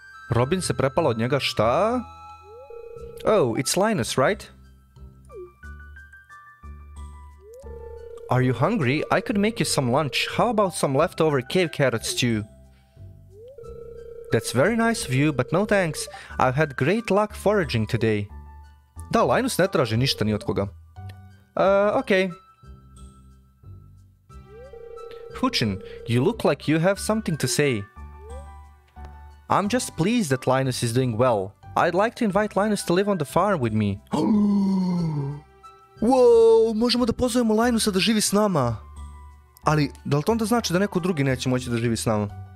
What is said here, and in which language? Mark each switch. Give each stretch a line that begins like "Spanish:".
Serbian: Robin se prepala od njega, šta?
English: Oh, it's Linus, right? Are you hungry? I could make you some lunch. How about some leftover cave carrot stew? That's very nice of you, but no thanks. I've had great luck foraging today.
Serbian: Da, Linus ne traži ništa ni od koga.
English: Okay. Huchin, you look like you have something to say. I'm just pleased that Linus is doing well. I'd like to invite Linus to live on the farm with me.
Serbian: Wow, možemo da pozovemo Linusa da živi s nama. Ali, da li to onda znači da neko drugi neće moći da živi s nama?